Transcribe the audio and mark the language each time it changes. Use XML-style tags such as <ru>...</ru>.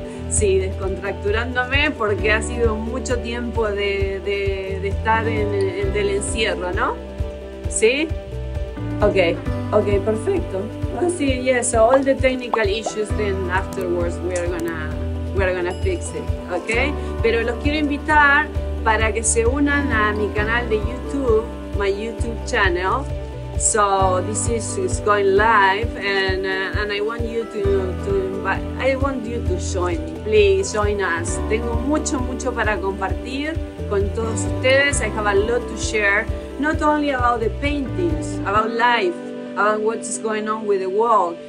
<es>Sí, descontracturándome porque ha sido mucho tiempo de estar en del encierro, ¿no? ¿Sí?</es> <en>Okay,</en> <es>perfecto. Así,</es> <en>oh, yes, so all the technical issues then afterwards we are gonna fix it, okay?</en> <es>Pero los quiero invitar para que se unan a mi canal de YouTube,</es> <en>my YouTube channel. So this is going live and I want you to join me. Please join us.</en> <es>Tengo mucho mucho para compartir con todos ustedes.</es> <en>I have a lot to share, not only about the paintings, about life, about what is going on with the world.</en>